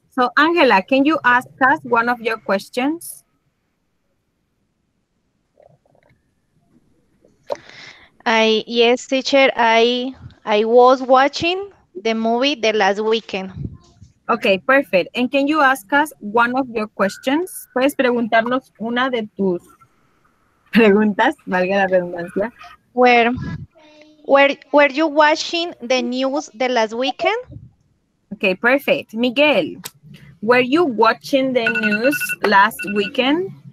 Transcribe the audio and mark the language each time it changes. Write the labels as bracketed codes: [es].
[en] So Angela, can you ask us one of your questions? Yes, teacher, I was watching the movie the last weekend. Okay, perfect. And can you ask us one of your questions? [es] Puedes preguntarnos una de tus preguntas, valga la redundancia. [en] Were you watching the news the last weekend? Okay, perfect. Miguel, were you watching the news last weekend?